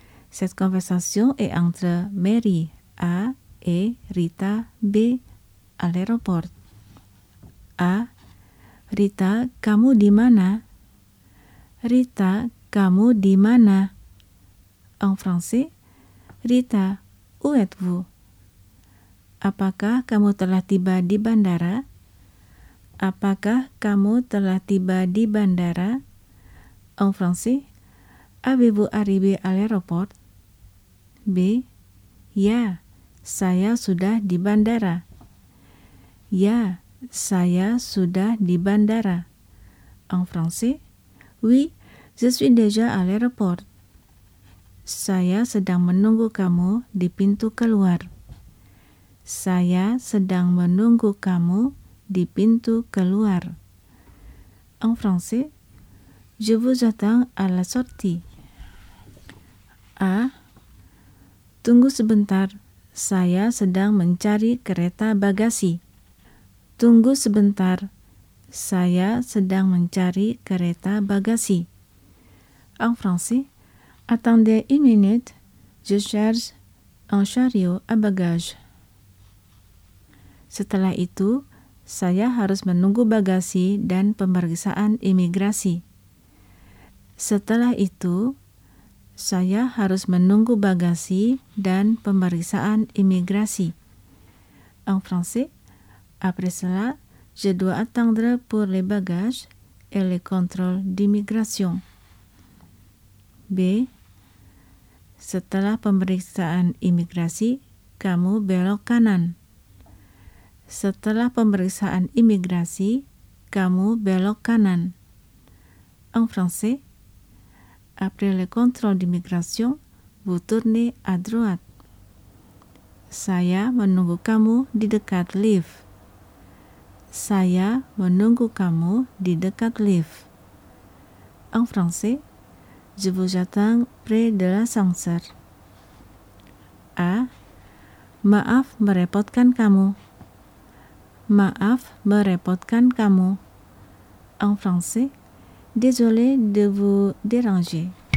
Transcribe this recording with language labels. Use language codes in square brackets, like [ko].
[fr] Cette conversation est entre Mary A et Rita B à l'aéroport. A. [id] Rita, kamu di mana? Rita, kamu di mana? [fr] En français, Rita, où êtes-vous? [id] Apakah kamu telah tiba di bandara? Apakah kamu telah tiba di bandara? [fr] En français, avez-vous arrivé à l'aéroport? B. [id] Ya, saya sudah di bandara. Ya, saya sudah di bandara. [fr] En français, oui, je suis déjà à l'aéroport. [id] Saya sedang menunggu kamu di pintu keluar. Saya sedang menunggu kamu di pintu keluar. [fr] En français, je vous attends à la sortie. [id] A. Tunggu sebentar, saya sedang mencari kereta bagasi. Tunggu sebentar, saya sedang mencari kereta bagasi. [fr] En français, attendez une minute, je cherche un chariot à bagage. [id] Setelah itu, saya harus menunggu bagasi dan pemeriksaan imigrasi. Setelah itu, saya harus menunggu bagasi dan pemeriksaan imigrasi. [fr] En français, après cela, je dois attendre pour les bagages et les contrôles d'immigration. B. [id] Setelah pemeriksaan imigrasi, kamu belok kanan. Setelah pemeriksaan imigrasi, kamu belok kanan. [fr] En français, après le contrôle d'immigration, vous tournez à droite. [id] Saya menunggu kamu di dekat lift. Saya menunggu kamu di dekat lift. [fr] En français, je vous attends près de l'ascenseur. A. [id] Maaf merepotkan kamu. Maaf merepotkan kamu. [fr] En français, désolé de vous déranger.